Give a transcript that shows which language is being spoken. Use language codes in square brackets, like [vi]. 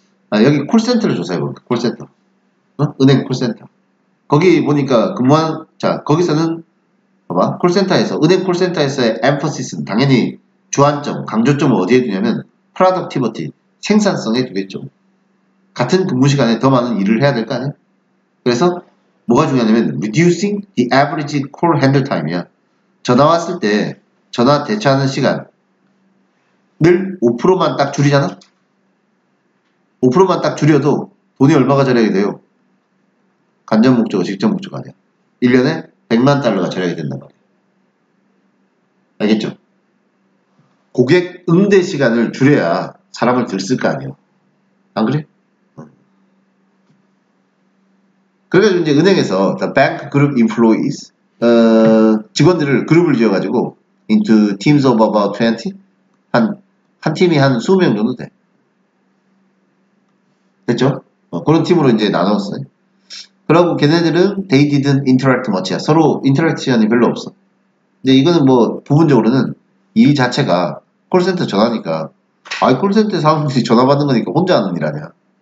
[ko] 아, 여기 콜센터를 조사해볼까? 콜센터. 은행 콜센터. 거기 보니까 근무한, 자, 거기서는, 봐봐, 콜센터에서, 은행 콜센터에서의 emphasis는 당연히 주안점, 강조점을 어디에 두냐면, productivity, 생산성에 두겠죠. 같은 근무 시간에 더 많은 일을 해야 될거 아니야? 그래서, 뭐가 중요하냐면, [en] reducing the average call handle time이야. [ko] 전화 왔을 때, 전화 대처하는 시간을 5%만 딱 줄이잖아? 5%만 딱 줄여도 돈이 얼마가 절약이 돼요? 간접 목적과 직접 목적 아니야. 1년에 100만 달러가 절약이 된단 말이야. 알겠죠? 고객 응대 시간을 줄여야 사람을 들쓸거 아니에요. 안 그래? 그래가지고 이제 은행에서 [en] the bank group employees [ko] 직원들을 그룹을 지어가지고 [en] into teams of about 20? [ko] 한 팀이 한 20명 정도 돼. 됐죠? 그런 팀으로 이제 나눴어요. 그러고 걔네들은 [en] they didn't interact much야. [ko] 서로 인터랙션이 별로 없어. 근데 이거는 뭐 부분적으로는 일 자체가 콜센터 전화니까, 아이 콜센터 사람들이 전화 받는 거니까 혼자 하는 일 아니야.